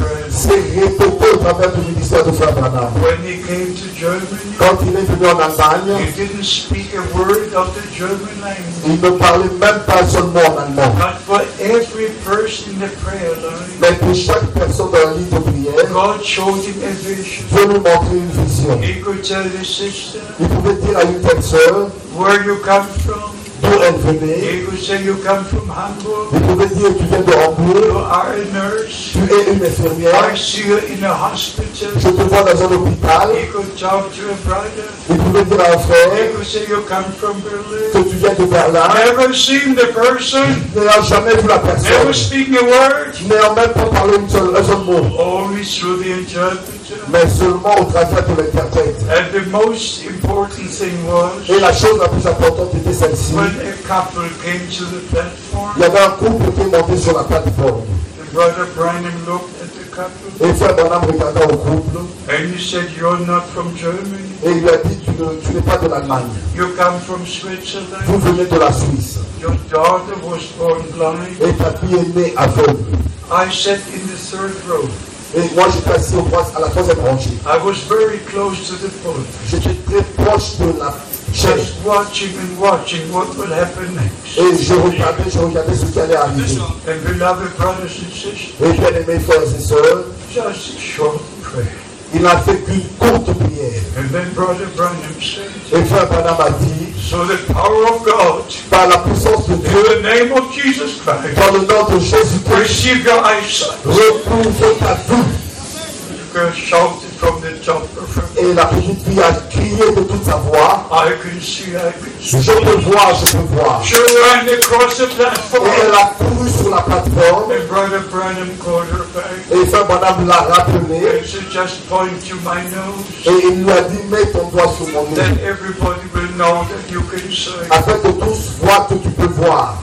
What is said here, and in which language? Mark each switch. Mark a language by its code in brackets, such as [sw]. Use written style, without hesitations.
[fr] C'est répété au travers du ministère de Frère Branham. [en] When he came to Germany, [fr] quand il est venu en Allemagne, [en] he didn't speak a word of the German language. [fr] Il ne parlait même pas son mot en allemand. [en] But for every person in the prayer line, [fr] mais pour chaque personne dans la ligne de prière, [en] God showed him a vision. [fr] Dieu nous montrait une vision. [en] He could tell his sister, [fr] il pouvait dire à une telle sœur, [en] where you come from? [fr] D'où elle venait. [en] He could say you come from Hamburg. [fr] Il pouvait dire tu viens de Hambourg. [en] You are a nurse. [fr] Tu es une infirmière. [en] I see you in a hospital. [fr] Je te vois dans un hôpital. [en] He could talk to a brother. [fr] Il pouvait dire à un frère. [en] He could say you come from Berlin. [fr] Que tu viens de Berlin. [en] Never seen the person. [fr] N'ayant jamais vu la personne. [en] Never speaking a word. [fr] N'ayant même pas parlé un seul mot. [en] Only through the interpreter. [fr] Mais seulement au travers de l'interprète. [en] And the most important thing was, [fr] et la chose la plus importante était celle-ci. [en] When a couple came to the platform, [fr] il y avait un couple qui est monté sur la plateforme. [en] The brother Branham looked at the couple, [fr] et Frère Branham regarda au couple. [en] And he said, you're not from Germany. [fr] Et il a dit, tu n'es pas de l'Allemagne. [en] You come from Switzerland. [fr] Vous venez de la Suisse. [en] Your daughter was born blind. [fr] Et ta fille est née aveugle. [en] I sat in the third row. [fr] Et moi j'étais assis au poste à la troisième rangée. [en] I was very close to the pulpit. [fr] J'étais très proche de la chaise. [en] Just watching and watching what will happen next. [fr] Et je regardais ce qui allait arriver. [en] And beloved brothers and sisters. [fr] Et bien aimés frères et sœurs. [en] Just a short prayer. [fr] Il a fait qu'une courte prière. [en] And then Brother Branham said. [fr] Et Frère Branham a dit. [en] So the power of God, [fr] par la puissance de Dieu, [en] in the name of Jesus Christ, [fr] par le nom de Jésus Christ, [en] receive your eyesight, [fr] retrouve ta vue. [en] You can shout it from the top of your [fr] head. Et la petite fille a crié de toute sa voix. [en] I can see, I can see. [fr] Je peux voir, je peux voir. [en] She ran across the platform. [fr] Et elle a couru sur la plateforme. [en] And Brother Branham called her back. [fr] Et sa madame l'a rappelé. [en] And she just pointed to my nose. [fr] Et il lui a dit, mets ton doigt sur mon nez. [en] Then everybody will know that you can see. [fr] Afin que tous voient que tu peux voir.